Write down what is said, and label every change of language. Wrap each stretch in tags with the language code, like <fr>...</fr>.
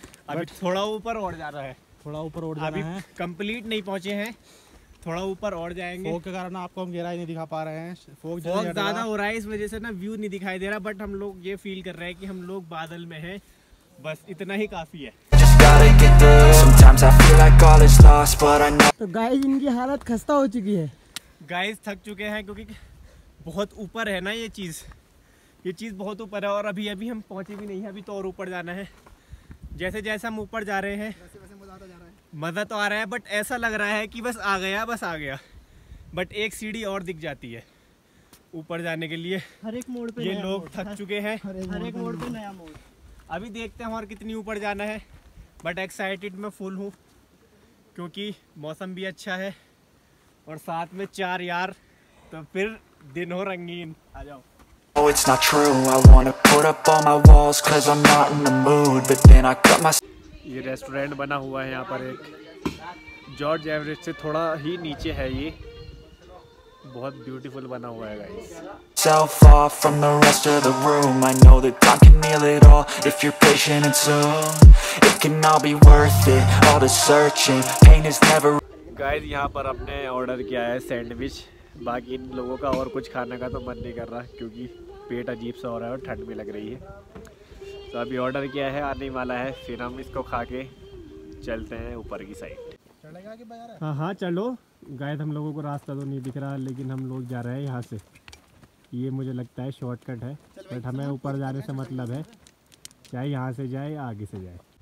<hi>अभी थोड़ा ऊपर और जा रहा है, थोड़ा ऊपर और जा रहा है, अभी कंप्लीट नहीं पहुँचे हैं, थोड़ा ऊपर और जाएंगे। फोग के कारण आपको हम गहराई नहीं दिखा पा रहे हैं, फोग ज़्यादा हो रहा है, इस वजह से ना व्यू नहीं दिखाई दे रहा, बट हम लोग ये फील कर रहे हैं कि हम लोग बादल में हैं, बस इतना ही काफ़ी है। Gotta</hi> <en>sometimes I feel like all is lost, but I know.</en> <hi>तो गाइस इनकी हालत खस्ता हो चुकी है, गाइस थक चुके हैं क्योंकि बहुत ऊपर है ना ये चीज बहुत ऊपर है और अभी हम पहुंचे भी नहीं है, अभी तो और ऊपर जाना है। जैसे जैसे हम ऊपर जा रहे हैं मजा तो आ रहा है, बट ऐसा लग रहा है कि बस आ गया, बट एक सीढ़ी और दिख जाती है ऊपर जाने के लिए। हर एक मोड़ पे ये लोग थक चुके हैं, हर एक मोड़ पे नया मोड़। अभी देखते हैं और कितनी ऊपर जाना है, बट एक्साइटेड मैं फुल हूँ क्योंकि मौसम भी अच्छा है और साथ में चार यार, तो फिर दिन हो रंगीन। आ जाओ।</hi> <en>Oh, it's not true. I wanna put up all my walls cause I'm not in the mood. But then I cut my.</en> <hi>ये रेस्टोरेंट बना हुआ है यहाँ पर, एक जॉर्ज एवरेज से थोड़ा ही नीचे है ये, बहुत ब्यूटीफुल बना हुआ है guys.</hi> <en>So far from the rest of the room, I know that time can heal it all if you're patient and soon it can all be worth it. All the searching, pain is never.</en> <hi>Guys यहाँ पर हमने order किया है sandwich, बाकी इन लोगों का और कुछ खाने का तो मन नहीं कर रहा क्योंकि पेट अजीब सा हो रहा है और ठंड भी लग रही है। तो अभी ऑर्डर किया है, आने वाला है, फिर हम इसको खा के चलते हैं ऊपर की साइड। हाँ हाँ चलो गाइस, हम लोगों को रास्ता तो नहीं दिख रहा लेकिन हम लोग जा रहे हैं यहाँ से, ये मुझे लगता है शॉर्टकट है, बट हमें ऊपर जाने से मतलब है, चाहे यहाँ से जाए या आगे से जाए।</hi>